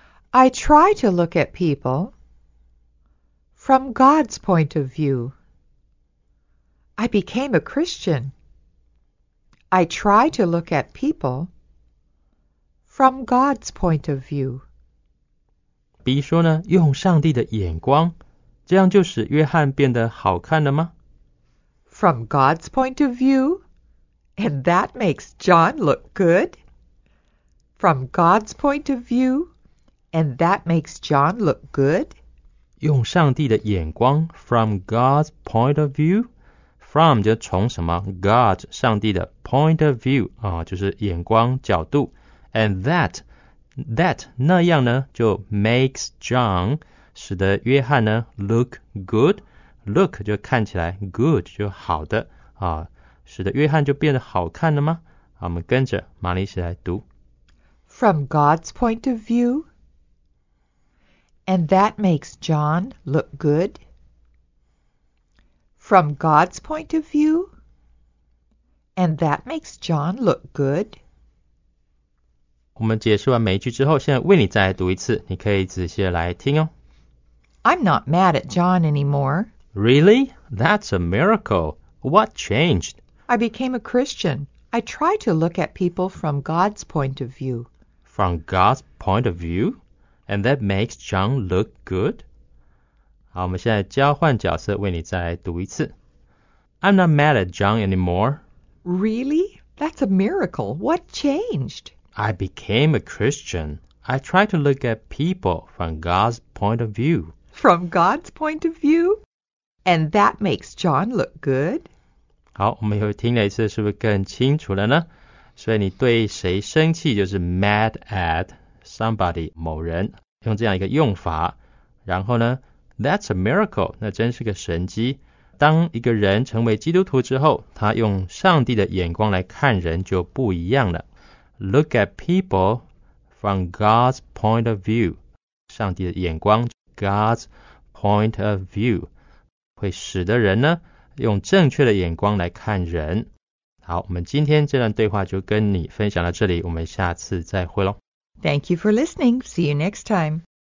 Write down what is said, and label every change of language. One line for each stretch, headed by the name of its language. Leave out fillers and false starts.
English: I try to look at people from God's point of view. I became a Christian. I try to look at people from God's point of view.
Chinese: B 说呢，用上帝的眼光，这样就使约翰变得好看了吗？
English: From God's point of view, and that makes John look good. From God's point of view, and that makes John look good.
Chinese: 用上帝的眼光 , from God's point of view, from 就从什么 ,God, 上帝的 point of view, 啊就是眼光角度 , and that, 那样呢就 makes John, 使得约翰呢 look good, look 就看起来 good, 就好的啊使得约翰就变得好看了吗好我们跟着玛丽一起来读。
English: From God's point of view, and that makes John look good. From God's point of view, and that makes John look good.
Chinese: 我们解释完每一句之后，现在为你再读一次，你可以仔细的来听哦。
English: I'm not mad at John anymore. Really? That's a miracle. What changed? I became a Christian. I try to look at people from God's point of view. From God's point of view, and that makes John look good.
Chinese: 好，我们现在交换角色，为你再读一次。
English: I'm not mad at John anymore. Really? That's a miracle. What changed? I became a Christian. I try to look at people from God's point of view. From God's point of view? And that makes John look good?
Chinese: 好，我们又听了一次，是不是更清楚了呢？所以你对谁生气就是 mad at somebody 某人用这样一个用法然后呢 that's a miracle 那真是个神迹当一个人成为基督徒之后他用上帝的眼光来看人就不一样了 look at people from God's point of view 上帝的眼光 God's point of view 会使得人呢用正确的眼光来看人好，我们今天这段对话就跟你分享到这里，我们下次再会咯。
English: Thank you for listening. See you next time.